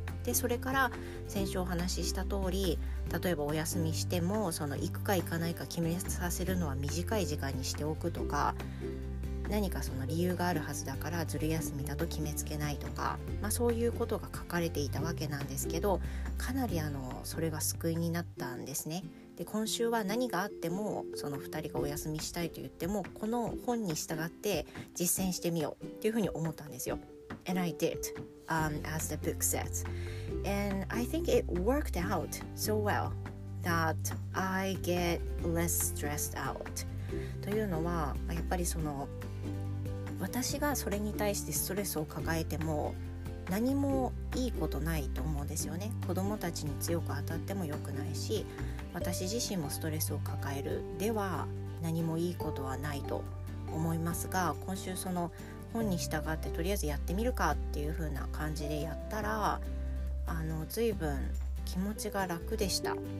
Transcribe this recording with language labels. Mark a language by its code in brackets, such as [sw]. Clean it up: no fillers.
[ja] で、それから先週お話しした通り、例えばお休みしてもその行くか行かないか決めさせるのは短い時間にしておくとか、何かその理由があるはずだからずる休みだと決めつけないとか、まあ、そういうことが書かれていたわけなんですけど、かなりそれが救いになったんですね。で、今週は何があってもその2人がお休みしたいと言ってもこの本に従って実践してみようっていうふうに思ったんですよ。 [en] And I did、as the book says. And I think it worked out so well that I get less stressed out. [ja] というのはやっぱりその私がそれに対してストレスを抱えても何もいいことないと思うんですよね。子供たちに強く当たっても良くないし、私自身もストレスを抱えるでは何もいいことはないと思いますが、今週その本に従ってとりあえずやってみるかっていう風な感じでやったら、随分気持ちが楽でした。